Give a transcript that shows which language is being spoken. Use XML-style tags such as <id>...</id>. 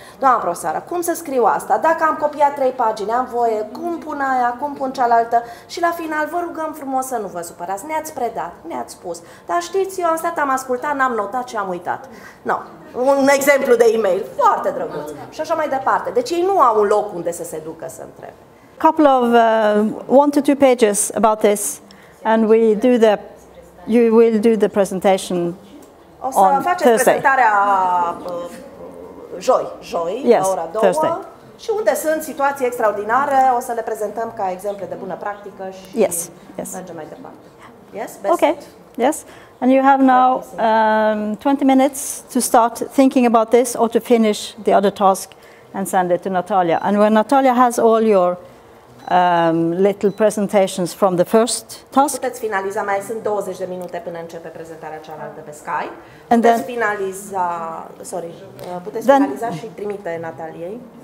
<ro>Doamna profesoară, cum să scriu asta? Dacă am copiat 3 pagini, am voie, cum pun aia, cum pun cealaltă? Și la final vă rugăm frumos să nu vă supărați. Ne-ați predat, ne-ați spus. Dar știți, eu am stat, am ascultat, n-am notat și am uitat. No. Un exemplu de e-mail, foarte drăguț. Și așa mai departe. Deci ei nu au un loc unde să se ducă să întrebe.</ro> <en>Couple of 1 to 2 pages about this and we do the you will do the presentation on Thursday.</en> <ro>O să faceți prezentarea joi,</ro> <en>yes,</en> <ro>ora 2.</ro> <en>Thursday.</en> <ro>Și unde sunt situații extraordinare, o să le prezentăm ca exemple de bună practică și</ro> <en>yes, yes.</en> <ro>Mergem mai departe.</ro> <en>Yes, best. Okay. Yes? And you have now 20 minutes to start thinking about this or to finish the other task and send it to Natalia. And when Natalia has all your little presentations from the first task.</en> <ro>Puteți finaliza, mai sunt 20 de minute până începe prezentarea cealaltă pe Skype. Puteți finaliza și trimite Nataliei.</ro>